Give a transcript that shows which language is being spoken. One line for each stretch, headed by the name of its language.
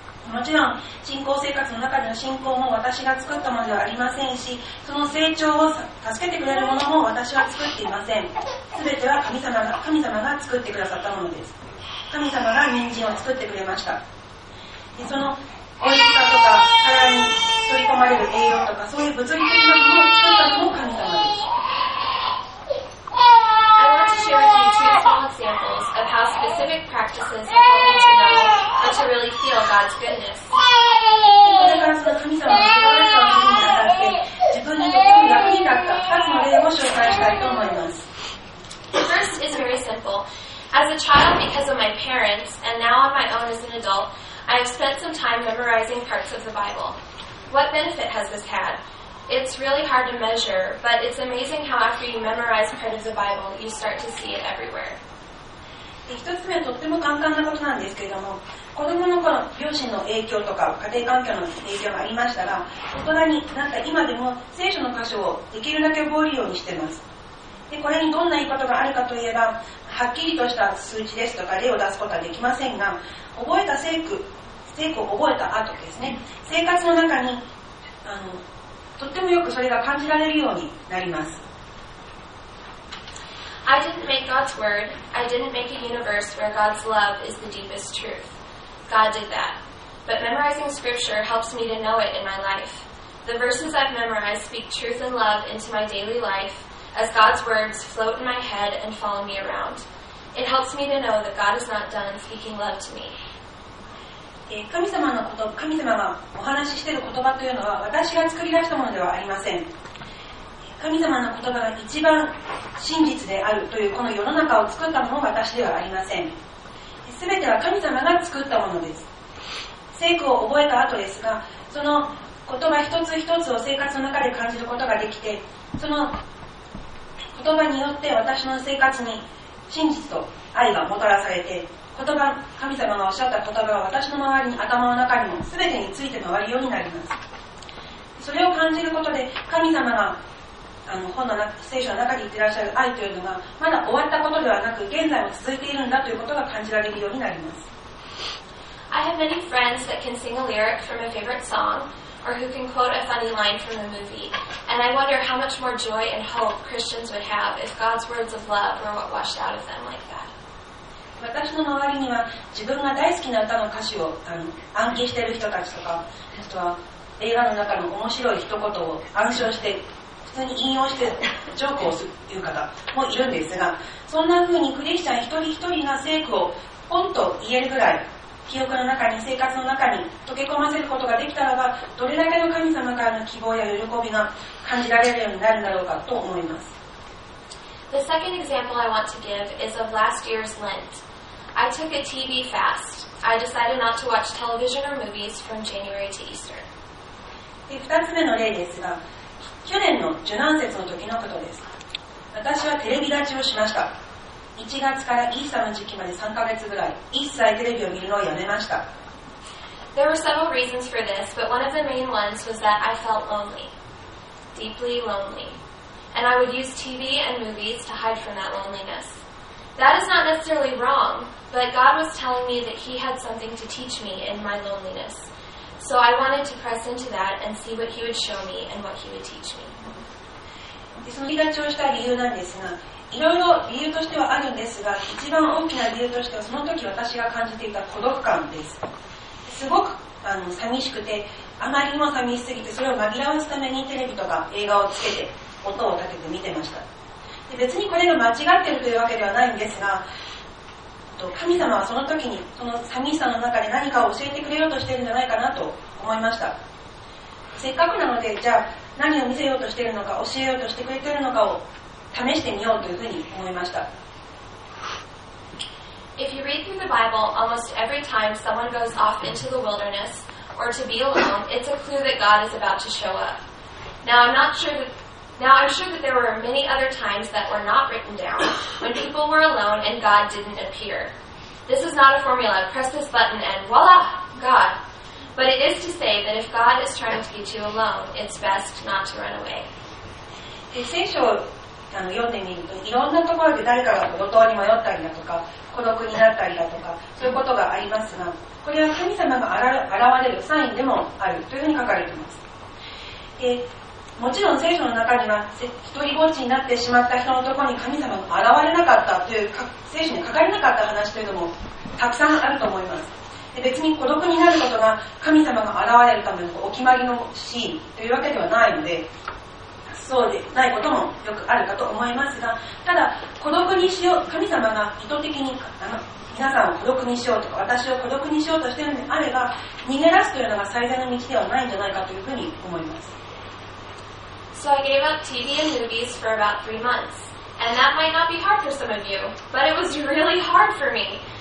Japanese: もちろん信仰生活の中での信仰も私が作ったものではありませんし、その成長を助けてくれるものも私は作っていません。全ては神様が作ってくださったものです。神様が人参を作ってくれました。でその美味しさとか体に取り込まれる栄養とか、そういう物理的なものを作ったのも神様です。
English: I want to share with you two small examples of how specific practices help you to know or to really feel God's goodness.
Japanese: これからその神様の素晴らしさを見に当たって自分にとっても役に立った2つの例を紹介したいと思います。
English: First is very simple. As a child, because of my parents, and now on my own as an adult,I have spent some time memorizing parts of the Bible. What benefit has this had? It's really hard to measure, but it's amazing how after you memorize part of the Bible, you start to see it everywhere.
Japanese: 一つ目はとっても簡単なことなんですけれども、子供の頃両親の影響とか家庭環境の影響がありましたが、大人になった今でも聖書の箇所をできるだけ覚えるようにしています。でこれにどんないいことがあるかといえば、はっきりとした数値ですとか例を出すことはできませんが、覚えた聖句を覚えた後ですね、生活の中にとってもよくそれが感じられるようになります。
English: I didn't make God's word. I didn't make a universe where God's love is the deepest truth. God did that. But memorizing scripture helps me to know it in my life. The verses I've memorized speak truth and love into my daily life. As God's words float in my head and follow me around. It helps me to know that God is not done speaking love to me.
Japanese: 神様がお話ししている言葉というのは私が作り出したものではありません。神様の言葉が一番真実であるというこの世の中を作ったのも私ではありません。すべては神様が作ったものです。聖句を覚えた後ですが、その言葉一つ一つを生活の中で感じることができて、その言葉によって私の生活に真実と愛がもたらされて、神様がおっしゃった言葉は私の周りに、頭の中にも全てについて回るようになります。それを感じることで、神様が聖書の中で言ってらっしゃる愛というのがまだ終わったことではなく、現在も続いているんだということが感じられるようになります。
English: I have many friends that can sing a lyric from a favorite song or who can quote a funny line from a movie, and I wonder how much more joy and hope Christians would have if God's words of love were what washed out of them like that.
Japanese: 私の周りには自分が大好きな歌の歌詞を暗記している人たちとか、あとは映画の中の面白い一言を暗唱して普通に引用してジョークをするという方もいるんですが、そんな風にクリスチャン一人一人が聖句をポンと言えるぐらい記憶の中に生活の中に溶け込ませることができたらば、どれだけの神様からの希望や喜びが感じられるようになるんだろうかと思います。
English: The second example I want to give is of last year's Lent. I took a TV fast. I decided not to watch television or movies from January to Easter.
Japanese: 2つ目の例ですが、去年の受難節の時のことです。私はテレビ立ちをしました。1月からイースターの時期まで3ヶ月ぐらい、一切テレビを見るのをやめました。
English: There were several reasons for this, but one of the main ones was that I felt lonely. Deeply lonely. And I would use TV and movies to hide from that loneliness. That is not necessarily wrong, but God was telling me that He had something to teach me in my loneliness. So I wanted to press into that and see what He would show me and what He would teach me.
Japanese: その離脱をした理由なんですが、いろいろ理由としてはあるんですが、一番大きな理由としてはその時私が感じていた孤独感です。すごく寂しくて、あまりにも寂しすぎて、それを紛らわすためにテレビとか映画をつけて、音を立てて見てました。で、別にこれが間違ってるというわけではないんですが、神様はその時にその寂しさの中で何かを教えてくれようとしているんじゃないかなと思いました。せっかくなので、じゃあ何を見せようとしているのか、教えようとしてくれているのかを試してみようというふうに思いました。
English: If you read through the Bible, almost every time someone goes off into the wilderness or to be alone, it's a clue that God is about to show up. Now, I'm sure that there were many other times that were not written down when people were alone and God didn't appear. This is not a formula, press this button and voila, God. But it is to say that if God is trying to get you alone, it's best not to run away.
Japanese: 聖書を読んでみると、いろんなところで誰かが路頭に迷ったりだとか、孤独になったりだとか、そういうことがありますが、これは神様が現れるサインでもあるというふうに書かれています。もちろん聖書の中には一人ぼっちになってしまった人のところに神様が現れなかったという聖書に書かれなかった話というのもたくさんあると思います。で、別に孤独になることが神様が現れるためのお決まりのシーンというわけではないので、そうでないこともよくあるかと思いますが、ただ孤独にしよう、神様が意図的に皆さんを孤独にしようとか私を孤独にしようとしているのであれば、逃げ出すというのが最善の道ではないんじゃないかというふうに思います。
English: So I gave up TV and movies for about 3 months. And that might not be hard for some of you, but it was really hard for me.